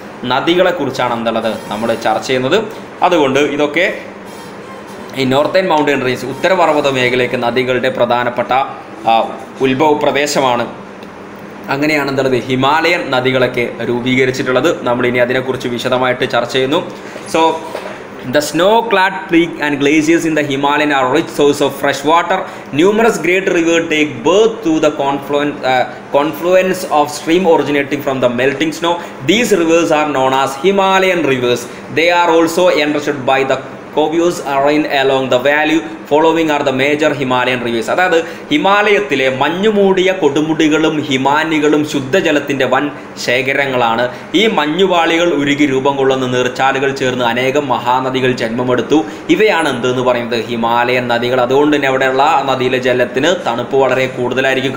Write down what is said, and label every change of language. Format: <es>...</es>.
<ml>നദികളെ കുറിച്ചാണ് എന്തുള്ളത് നമ്മൾ ചർച്ച ചെയ്യുന്നത്. അതുകൊണ്ട് ഇതൊക്കെ ഈ നോർത്തേൺ മൗണ്ടൈൻ റേഞ്ച് ഉത്തരപർവ്വത മേഖലയ്ക്ക് നദികളുടെ പ്രധാനപ്പെട്ട ഉത്ഭവ പ്രദേശമാണ്. അങ്ങനെയാണ് എന്തുള്ളത് ഹിമാലയൻ നദികളൊക്കെ രൂപീകരിച്ചിട്ടുള്ളത്. നമ്മളിനി അതിനെക്കുറിച്ച് വിശദമായിട്ട് ചർച്ച ചെയ്യുന്നു.</ml> <en>So the snow clad peak and glaciers in the Himalayan are rich source of fresh water. Numerous great rivers take birth through the confluence of stream originating from the melting snow. These rivers are known as Himalayan rivers. They are also enriched by the copious rain along the valley. Following are the major Himalayan rivers.</en> <ml>അതായത് ഹിമാലയത്തിലെ മഞ്ഞുമൂടിയ കൊടുമുടികളും ഹിമാനികളും ശുദ്ധജലത്തിൻ്റെ വൻ ശേഖരങ്ങളാണ്. ഈ മഞ്ഞുപാളികൾ ഉരുകി രൂപം കൊള്ളുന്ന നീർച്ചാലുകൾ ചേർന്ന് അനേകം മഹാനദികൾ ജന്മമെടുത്തു. ഇവയാണ് എന്തെന്ന് പറയുന്നത്, ഹിമാലയൻ നദികൾ. അതുകൊണ്ട് തന്നെ അവിടെയുള്ള നദിയിലെ ജലത്തിന് തണുപ്പ് വളരെ കൂടുതലായിരിക്കും.</ml>